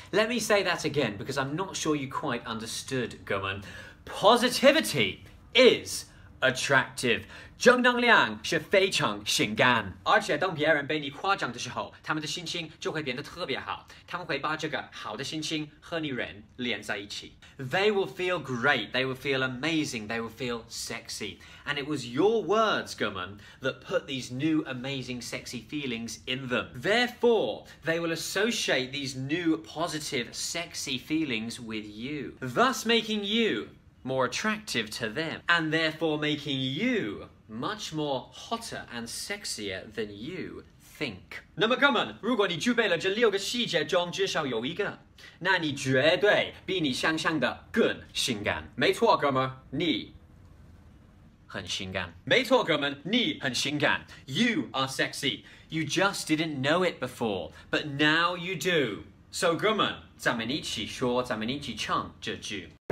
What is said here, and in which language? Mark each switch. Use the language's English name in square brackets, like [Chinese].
[English] Let me say that again, because I'm not sure you quite understood, 哥们。 Positivity is attractive. [Chinese] 正能量是非常性感，而且当别人被你夸奖的时候，他们的心情就会变得特别好。他们会把这个好的心情和你人连在一起。 [English] They will feel great. They will feel amazing. They will feel sexy. And it was your words, Gorman, that put these new amazing sexy feelings in them. Therefore, they will associate these new positive sexy feelings with you, thus making you more attractive to them, and therefore making you. Much more hotter and sexier than you think. [Chinese] 那么哥们，如果你具备了这六个细节中至少有一个，那你绝对比你想象的更性感。没错，哥们，你很性感。没错，哥们，你很性感。 [English] You are sexy. You just didn't know it before, but now you do. [Chinese] So, 哥们，咱们一起说，咱们一起唱这句。